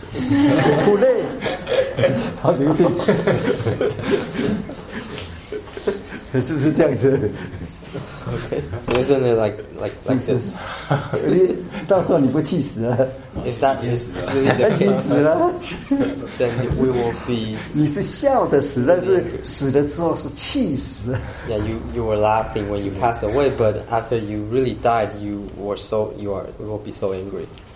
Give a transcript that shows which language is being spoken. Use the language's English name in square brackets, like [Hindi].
[English] You're too late. How do you think? [Chinese] 是不是这样子? [English] Okay. So isn't it like this? [Chinese] 到时候你不气死了? [English] If that is really the case, then we will be... [Chinese] 你是笑的死, 但是死了之后是气死了。 [English] Yeah, you were laughing when you passed away, but after you really died, you will be so angry.